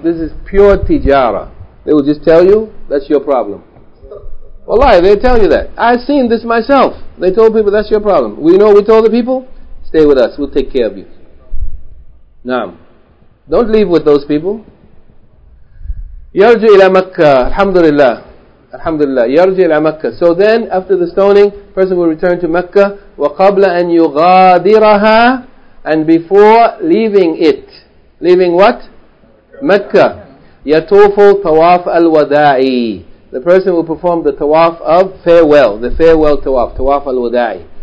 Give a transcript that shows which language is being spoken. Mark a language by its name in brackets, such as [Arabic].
[English] This is pure tijara. They will just tell you, that's your problem. Wallahi, they tell you that. I've seen this myself. They told people, that's your problem. We know what we told the people? Stay with us. We'll take care of you. Naam. Don't leave with those people. [Arabic] يرجو إلى مكة الحمد لله الحمد لله يرجو إلى مكة. [English] So then after the stoning, person will return to Mecca. [Arabic] وقبل أن يغادرها, [English] and before leaving it, leaving what? Mecca. [Arabic] يطوف طواف الوداع, [English] the person will perform the tawaf of farewell, the farewell tawaf, tawaf الوداع.